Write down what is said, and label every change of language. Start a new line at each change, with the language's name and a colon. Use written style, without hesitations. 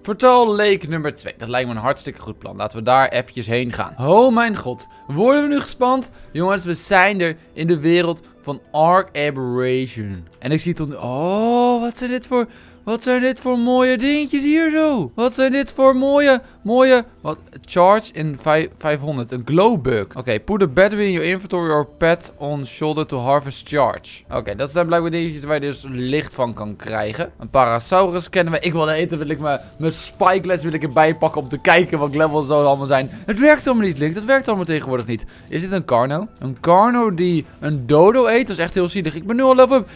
Dutch: Vertel lake nummer 2. Dat lijkt me een hartstikke goed plan. Laten we daar eventjes heen gaan. Oh mijn god. Worden we nu gespand? Jongens, we zijn er in de wereld van Ark Aberration. En ik zie het onder... Oh, wat zijn dit voor... Wat zijn dit voor mooie dingetjes hier zo? Wat zijn dit voor mooie, mooie... Wat? Charge in 500. Een glowbug.
English: Oké, put a battery in your inventory or pet on shoulder to harvest charge.
Dutch: Oké, dat zijn blijkbaar dingetjes waar je dus licht van kan krijgen. Een parasaurus kennen we. Ik wil eten, wil ik mijn spikelets wil ik erbij pakken om te kijken wat levels zo allemaal zijn. Het werkt allemaal niet, Link. Dat werkt allemaal tegenwoordig niet. Is dit een carno? Een carno die een dodo eet? Dat is echt heel zielig. Ik ben nu al level up.